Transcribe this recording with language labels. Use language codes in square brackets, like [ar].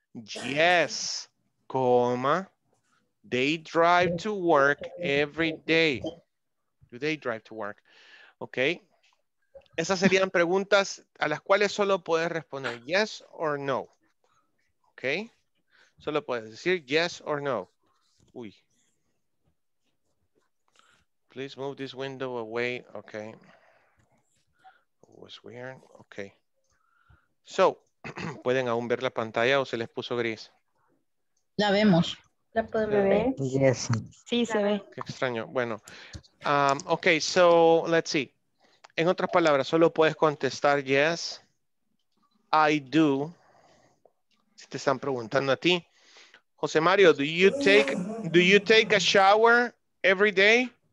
[en] Yes, coma, they drive to work every day. Do they drive to work? Ok. [es] Esas serían preguntas a las cuales solo puedes responder [en] yes or no. [es] Ok. Solo puedes decir [en] yes or no. [es] Uy. [en] Please move this window away. Ok. It was weird. Ok. [es] So, ¿pueden aún ver la pantalla o se les puso gris? La vemos. ¿La podemos ver? [en] Yes. [es] Sí, se ve. Qué extraño. Bueno. [en] Ok, so, let's see. [es] En otras palabras, solo puedes contestar [en] yes, I do. [es] Si te están preguntando a ti. [en] José Mario, do you take a shower every day?